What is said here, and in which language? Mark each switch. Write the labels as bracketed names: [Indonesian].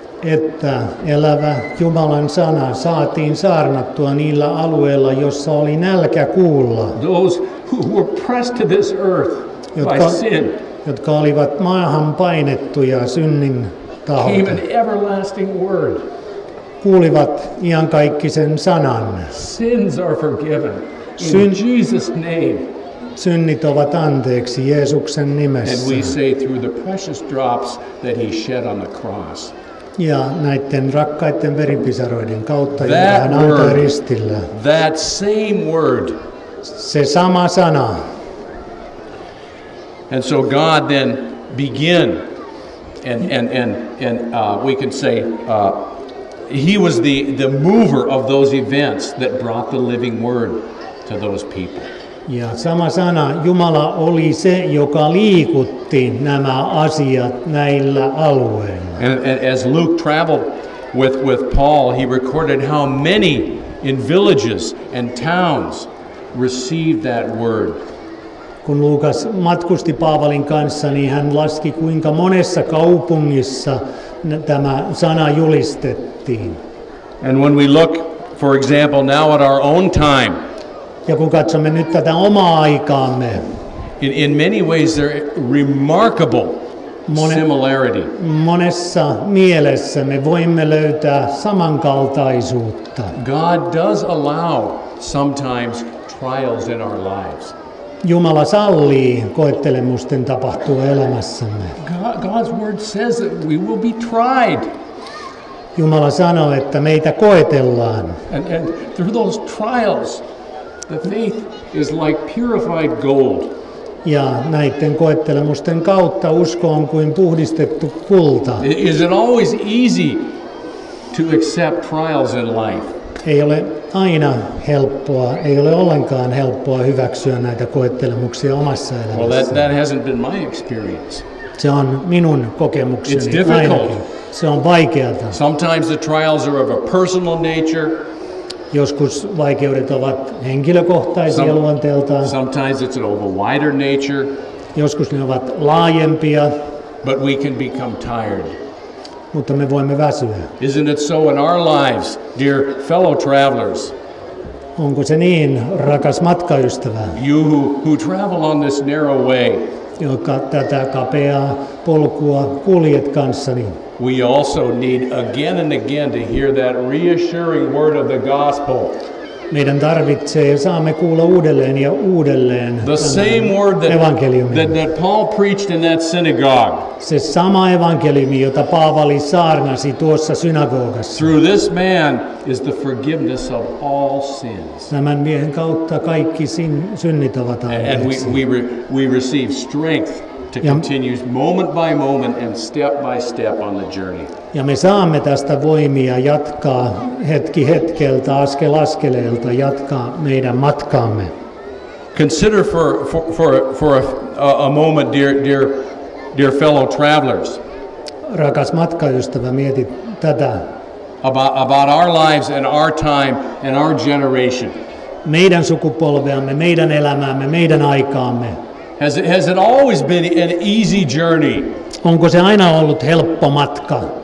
[Finnish] Että elävä Jumalan sana saatiin saarnattua niillä alueilla, jossa oli nälkä kuulla. [English] Those who were pressed to this earth by sin. [Finnish] Jotka olivat maahan painettuja synnin taholta. [English] Came an everlasting word. [Finnish] Kuulivat iankaikkisen sanan. [English] Sins are forgiven in Jesus' name. [Finnish] Synnit ovat anteeksi Jeesuksen nimessä. [English] And we say through the precious drops that he shed on the cross. [Finnish] Ja näiden rakkaiden veripisaroiden kautta, joita hän antoi ristillä. [English] That same word. [Finnish] Se sama sana. [English] And so God then began, and we can say he was the mover of those events that brought the living word to those people. [Finnish] Ja sama sana, Jumala oli se, joka liikutti nämä asiat näillä alueilla. [English] And as Luke traveled with Paul, he recorded how many in villages and towns received that word. [Finnish] Kun Lukas matkusti Paavalin kanssa, niin hän laski, kuinka monessa kaupungissa tämä sana julistettiin. [English] And when we look, for example, now at our own time, [Finnish] ja kun katsomme nyt tätä omaa aikaamme, [English] in many ways they're remarkable. Similarity. [Finnish] Monessa mielessä me voimme löytää samankaltaisuutta. [English] God does allow sometimes trials in our lives. [Finnish] Jumala sallii koettelemusten tapahtua elämässämme. [English] God's word says that we will be tried. [Finnish] Jumala sanoo, että meitä koetellaan. [English] And through those trials, the faith is like purified gold. [Finnish] Ja näiden koettelemusten kautta usko on kuin puhdistettu kulta. [English] Is it always easy to accept trials in life? [Finnish] Ei ole aina helppoa, ei ole ollenkaan helppoa hyväksyä näitä koettelemuksia omassa elämässä. [English] Well, that hasn't been my experience. [Finnish] Se on minun kokemukseni. [English] It's difficult. [Finnish] Se on vaikeata. [English] Sometimes the trials are of a personal nature. [Finnish] Joskus vaikeudet ovat henkilökohtaisia luonteeltaan. [English] Sometimes it's an over wider nature. [Finnish] Joskus ne ovat laajempia. [English] But we can become tired. [Finnish] Mutta me voimme väsyä. [English] Isn't it so in our lives, dear fellow travelers? [Finnish] Onko se niin, rakas matkaystävä? [English] You who travel on this narrow way. [Finnish] Joka tätä kapeaa polkua kuljet kanssani. [English] We also need again and again to hear that reassuring word of the gospel. [Finnish] Meidän tarvitsee ja saamme kuulla uudelleen ja uudelleen. [English] The same word that Paul preached in that synagogue. [Finnish] Se sama evankeliumi, jota Paavali saarnasi tuossa synagogassa. [English] Through this man is the forgiveness of all sins. [Finnish] Tämän miehen kautta kaikki synnit ovat anteeksi. [English] And we receive strength to continue moment by moment and step by step on the journey. [Finnish] Ja me saamme tästä voimia jatkaa hetki hetkeltä, askel askeleelta jatkaa meidän matkaamme. [English] Consider for a moment, dear fellow travelers. [Finnish] Rakas matkaystävä, mieti tätä. [English] About our lives and our time and our generation. [Finnish] Meidän sukupolveamme, meidän elämäämme, meidän aikaamme. [English] Has it always been an easy journey? [Finnish] Onko se aina ollut helppo matka?